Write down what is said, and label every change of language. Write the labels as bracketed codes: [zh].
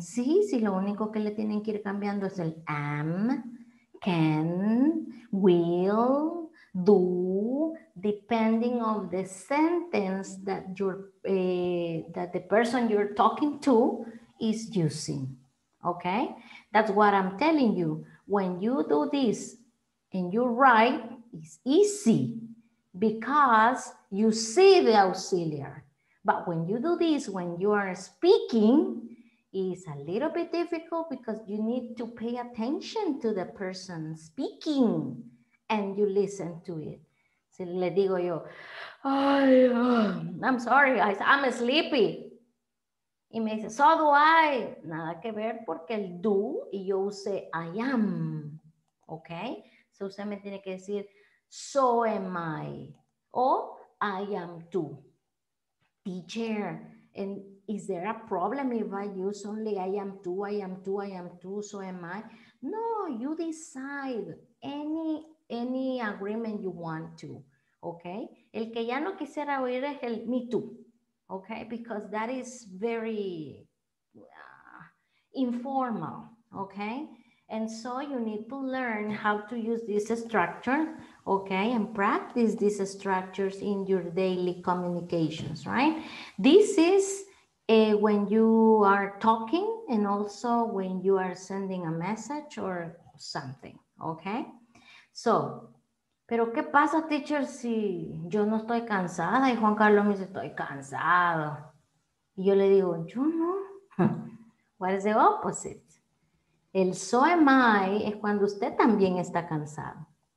[es] Sí, sí, lo único que le tienen que ir cambiando es el am, can, will... [en] Do, depending on the sentence that you're, that the person you're talking to is using, okay? That's what I'm telling you. When you do this and you write, it's easy because you see the auxiliar. But when you do this, when you are speaking, it's a little bit difficult because you need to pay attention to the person speaking. And you listen to it. [es] Si le digo yo, ay, [en] I'm sorry, guys, I'm sleepy. [es] Y me dice, [en] so do I. [es] Nada que ver porque el do y yo use [en] I am. [es] Okay? So usted me tiene que decir, [en] so am I. O I am too. Teacher, and is there a problem if I use only I am too, I am too, I am too, so am I? No, you decide any agreement you want to, okay? [es] El que ya no quisiera oír es el [en] me too, [es] okay? [en] Because that is very informal, okay? And so you need to learn how to use this structure, okay? And practice these structures in your daily communications, right? This is When you are talking and also when you are sending a message or something, okay? [es] So, pero ¿qué pasa, teacher, si yo no estoy cansada? Y Juan Carlos me dice, estoy cansado. Y yo le digo, yo no. [en] What is the opposite? [es] El [en] so am I [es] es cuando usted también está cansado.